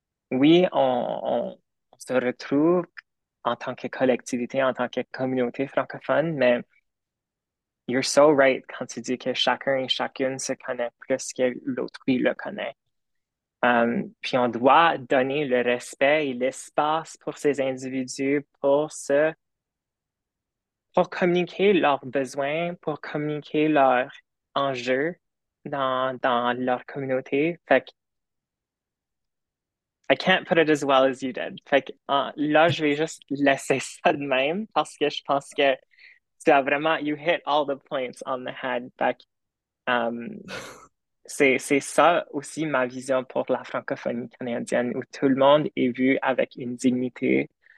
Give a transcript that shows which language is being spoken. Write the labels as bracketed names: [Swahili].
[French] Oui, on se retrouve en tant que collectivité, en tant que communauté francophone, mais [English] you're so right [French] quand tu dis que chacun et chacune se connaît plus que l'autrui le connaît. Puis on doit donner le respect et l'espace pour ces individus pour communiquer leurs besoins, pour communiquer leurs enjeux dans leur communauté. Fait que, [English] I can't put it as well as you did. [French] Fait que, là, je vais juste laisser ça de même parce que je pense que tu as vraiment, [English] you hit all the points on the head. [French] Fait que, c'est ça aussi ma vision pour la francophonie canadienne où tout le monde est vu avec une dignité.